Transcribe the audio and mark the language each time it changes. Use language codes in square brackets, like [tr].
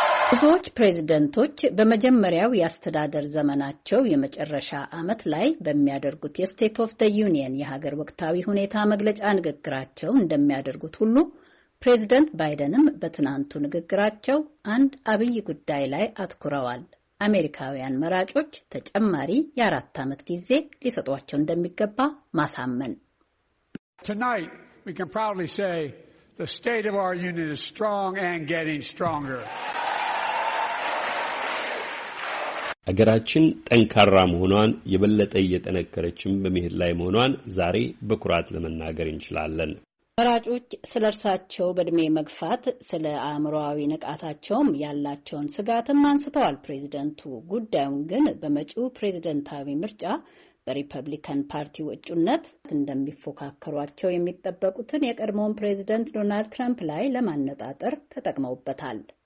[am] ብዙዎች ፕሬዝደንቶች በመጀመሪያው የአስተዳደር ዘመናቸው የመጨረሻ ዓመት ላይ በሚያደርጉት የስቴት ኦፍ ዘ ዩኒየን የሀገር ወቅታዊ ሁኔታ መግለጫ ንግግራቸው እንደሚያደርጉት ሁሉ ፕሬዝደንት ባይደንም በትናንቱ ንግግራቸው አንድ አብይ ጉዳይ ላይ አትኩረዋል። አሜሪካውያን መራጮች ተጨማሪ የአራት ዓመት ጊዜ ሊሰጧቸው እንደሚገባ ማሳመን። [en] Tonight we can proudly say the state of our union is strong and getting stronger. [am] አገራችን ጠንካራ መሆኗን የበለጠ እየጠነከረችም በመሄድ ላይ መሆኗን ዛሬ በኩራት ለመናገር እንችላለን። መራጮች ስለርሳቸው በድሜ መግፋት ስለ አእምሮአዊ ንቃታቸውም ያላቸውን ስጋትም አንስተዋል ፕሬዝደንቱ። ጉዳዩን ግን በመጪው ፕሬዝደንታዊ ምርጫ በሪፐብሊካን ፓርቲ ወጪነት እንደሚፎካከሯቸው የሚጠበቁትን የቀድሞውን ፕሬዝደንት ዶናልድ ትራምፕ ላይ ለማነጣጠር ተጠቅመውበታል።